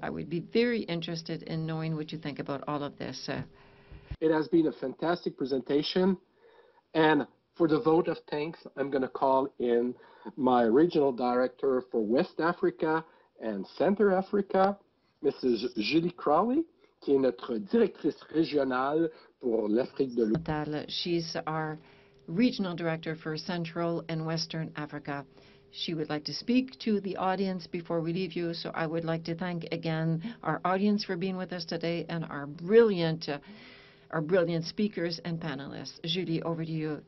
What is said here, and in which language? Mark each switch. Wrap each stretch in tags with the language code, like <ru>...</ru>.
<en>I would be very interested in knowing what you think about all of this. It has been a fantastic presentation. And for the vote of thanks, I'm going to call in my regional director for West Africa and Center Africa, Mrs.</en> <fr>Julie Crowley, qui est notre directrice régionale pour l'Afrique de l'Ouest.</fr> <en>She's our regional director for Central and Western Africa. She would like to speak to the audience before we leave you, so I would like to thank again our audience for being with us today and our brilliant speakers and panelists. Julie, over to you.</en>